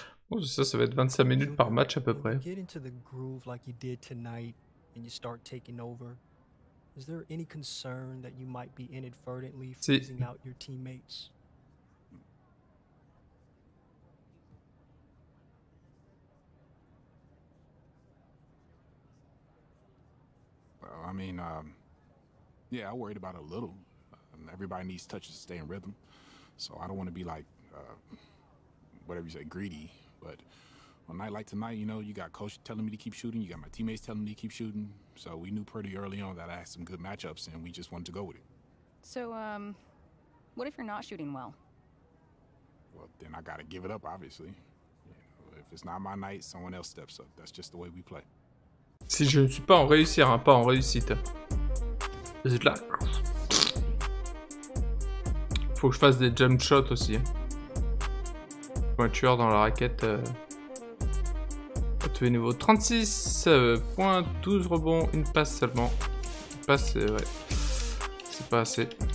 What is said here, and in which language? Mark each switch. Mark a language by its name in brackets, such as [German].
[French] Bon, ça va être 25 minutes par match à peu près. [English] Get into the groove like you did tonight and you start taking over. Is there any concern that you might be inadvertently freezing out your teammates? Well, I mean, yeah, I worried about it a little. Everybody needs touches to stay in rhythm. So I don't want to be like, whatever you say, greedy. But a night like tonight, you know, you got coach telling me to keep shooting, you got my teammates telling me to keep shooting. So we knew pretty early on that I had some good matchups and we just wanted to go with it. So, what if you're not shooting well? Well, then I gotta give it up, obviously. You know, if it's not my night, someone else steps up. That's just the way we play. [French] Si je ne suis pas en réussir, hein, pas en réussite. Vous êtes là. Faut que je fasse des jump shots aussi. Un tueur dans la raquette. À tous les niveaux. 36 points, 12 rebonds, une passe seulement. Une passe, c'est vrai. C'est pas assez.